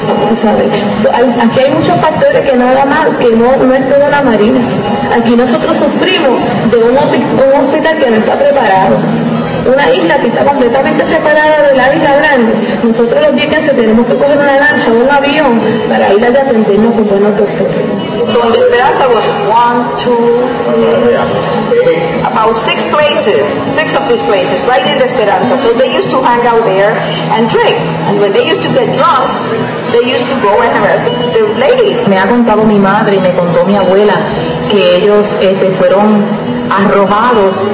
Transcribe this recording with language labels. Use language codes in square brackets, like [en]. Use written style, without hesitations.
[es] O sea, aquí hay muchos factores que nada más, que no es toda la Marina. Aquí nosotros sufrimos de un hospital que no está preparado. Una isla que está completamente separada de la isla grande. Nosotros los vieques tenemos que coger una lancha o un avión para ir a atendernos con buenos doctores. [en] So in Esperanza was one, two, about six of these places, right in Esperanza. So they used to hang out there and drink. And when they used to get drunk, they used to go and harass the ladies. [es] Me ha contado mi madre y me contó mi abuela que ellos fueron arrojados.